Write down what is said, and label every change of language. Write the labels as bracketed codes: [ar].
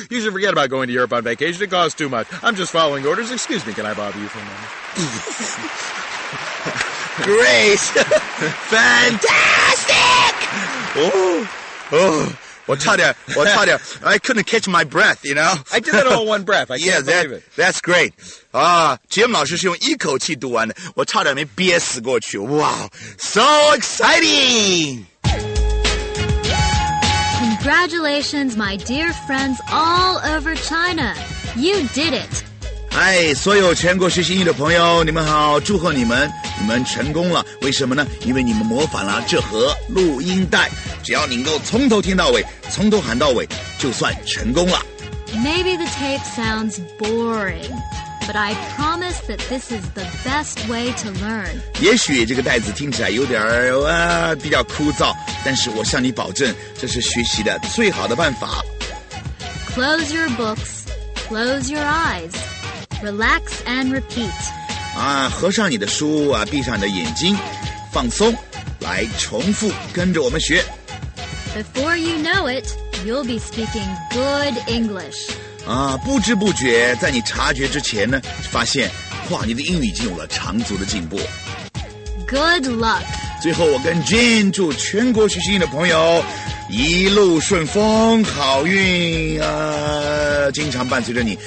[en] You should forget about going to Europe on vacation. It costs too much. I'm just following orders. Excuse me. Can I bother you for a moment? Great. Fantastic. Oh, I tell you, I couldn't catch my breath, you know? I did it all in one breath, I can't believe it. That's great. [zh] Jim 老师是用一口气读完的，我差点没憋死过去。 [en] Wow, so exciting! Congratulations, my dear friends all over China. You did it! [zh] Hi, 所有全国学习英语的朋友，你们好，祝贺你们，你们成功了。为什么呢？因为你们模仿了这盒录音带。只要你能够从头听到尾，从头喊到尾，就算成功了。 [en] Maybe the tape sounds boring, but I promise that this is the best way to learn. [zh] 也许这个袋子听起来有点比较枯燥，但是我向你保证，这是学习的最好的办法。 [en] Close your books, close your eyes, relax and repeat. [zh] 啊，合上你的书啊，闭上你的眼睛，放松，来重复跟着我们学。 [en] Before you know it, you'll be speaking good English. [zh] 啊，不知不觉，在你察觉之前呢，发现，哇，你的英语已经有了长足的进步。 [en] Good luck. [zh] 最后，我跟 Jane 祝全国学习英语的朋友一路顺风，好运啊，经常伴随着你。